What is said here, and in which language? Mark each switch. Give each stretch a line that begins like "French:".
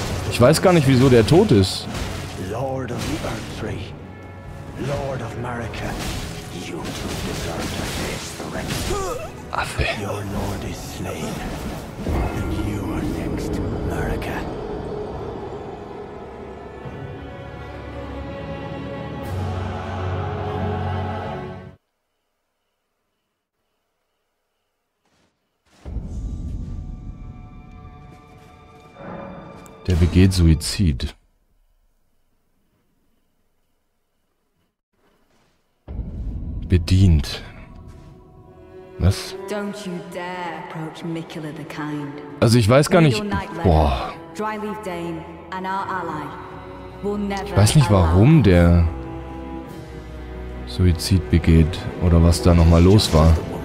German: Ich weiß gar nicht, wieso der tot ist.
English: Lord of the Earth-Tree. Lord of Marika. You too deserve to face the rest.
German: Affe.
English: Your lord is slain. And you are next, Marika.
German: Der begeht Suizid. Bedient. Was?
English: Don't you dare approach Mikula the Kind.
German: Also ich weiß gar nicht. Boah.
English: Dryleaf Dane and our ally will never.
German: Ich weiß nicht, warum der Suizid begeht oder was da nochmal los war.